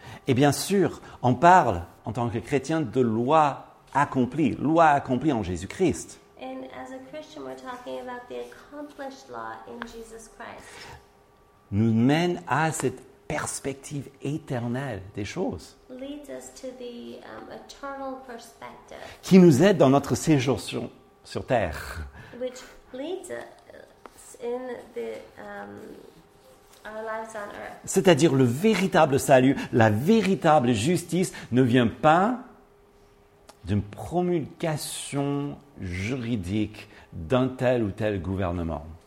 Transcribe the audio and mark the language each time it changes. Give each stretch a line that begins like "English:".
French: Et bien sûr, on parle en tant que chrétien de loi accomplie, loi accomplie en Jésus-Christ.
English: And as a Christian, we're talking about the accomplished law in Jesus Christ.
French: Nous mène à cette perspective éternelle des choses.
English: Leads us to the eternal perspective.
French: Qui nous aide dans notre séjour sur terre.
English: Which leads us in the our lives on earth.
French: C'est-à-dire le véritable salut, la véritable justice ne vient pas d'une promulgation juridique d'un tel ou tel gouvernement.